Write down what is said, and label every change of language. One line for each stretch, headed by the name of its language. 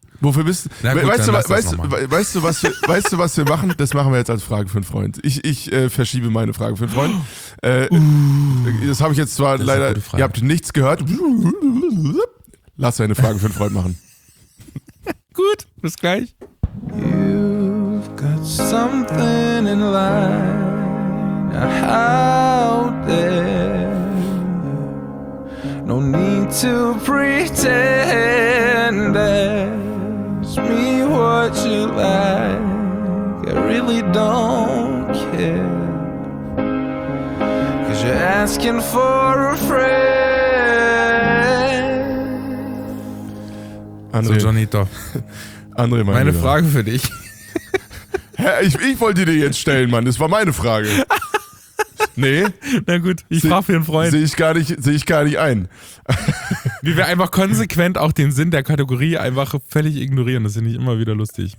German: Wofür bist du? Weißt du, was wir machen? Das machen wir jetzt als Frage für einen Freund. Ich verschiebe meine Frage für einen Freund. Das habe ich jetzt zwar leider. Ihr habt nichts gehört. Lass deine Frage für einen Freund machen. Gut, bis gleich.
English: You've got something in line. Out there. No need to pretend that. Ask me what you like, I really don't care, 'cause you're asking for a friend.
German: André. So, Johnito. André, meine Lieber. Frage für dich. Hä, ich wollte dir jetzt stellen, Mann, das war meine Frage. Nee? Na gut, ich frage für einen Freund. Sehe ich gar nicht ein. Wie wir einfach konsequent auch den Sinn der Kategorie einfach völlig ignorieren. Das finde ich immer wieder lustig.